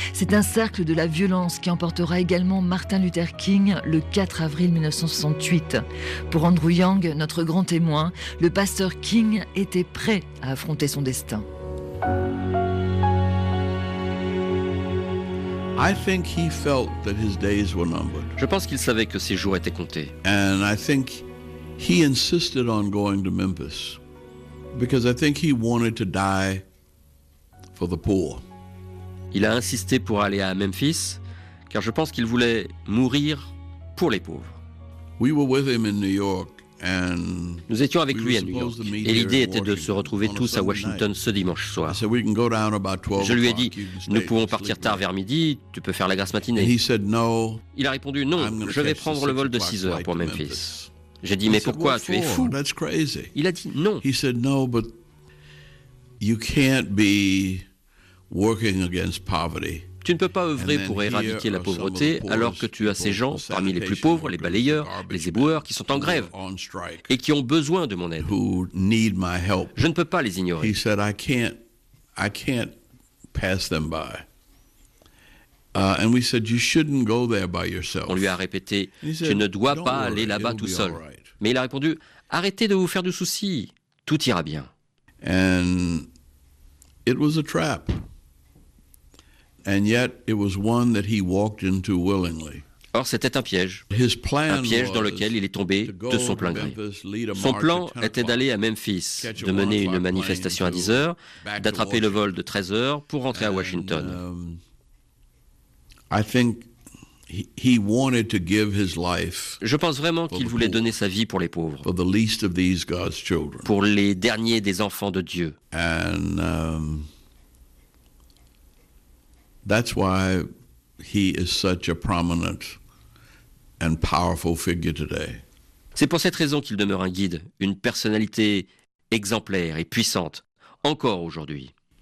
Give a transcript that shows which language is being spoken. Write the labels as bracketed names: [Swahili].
[French] C'est un cercle de la violence qui emportera également Martin Luther King le 4 avril 1968. Pour Andrew Young, notre grand témoin, le pasteur King était prêt à affronter son destin. Je pense qu'il savait que ses jours étaient comptés. [English] And I think he insisted on going to Memphis because I think he wanted to die for the poor. [French] Il a insisté pour aller à Memphis car je pense qu'il voulait mourir pour les pauvres. [English] We were with him in New York and [French] nous étions avec lui à New York et l'idée était de se retrouver tous à Washington ce dimanche soir. [English] So we can go down about 12. [French] Je lui ai dit, nous pouvons partir tard vers midi, tu peux faire la grasse matinée. [English] And he said no. [French] Il a répondu non, je vais prendre le vol de 6 heures pour Memphis. J'ai dit mais pourquoi, tu es fou? [English] That's crazy. [French] Il a dit non. [English] He said no, but you can't be working against poverty. [French] Tu ne peux pas œuvrer pour éradiquer la pauvreté alors que tu as ces gens, parmi les plus pauvres, les balayeurs, les éboueurs, qui sont en grève et qui ont besoin de mon aide. Je ne peux pas les ignorer. [English] He said, I can't pass them by. And we said, you shouldn't go there by yourself. [French] On lui a répété, tu ne dois pas aller là-bas tout seul. Mais il a répondu, arrêtez de vous faire du souci, tout ira bien. [English] And it was a trap. And yet, it was one that he walked into willingly. [French] Or, c'était un piège. [English] His plan [French] un piège dans lequel il est tombé de son plein gré. Son plan était d'aller à Memphis, de mener une manifestation à 10 heures, d'attraper le vol de 13 heures pour rentrer à Washington. [English] I think he wanted to give his life. [French] Je pense vraiment qu'il voulait donner sa vie pour les pauvres. [English] For the least of these God's children. [French] Pour les derniers des enfants de Dieu. [English] And that's why he is such a prominent and powerful figure today. [French] C'est pour cette raison qu'il demeure un guide, une personnalité exemplaire et puissante encore aujourd'hui.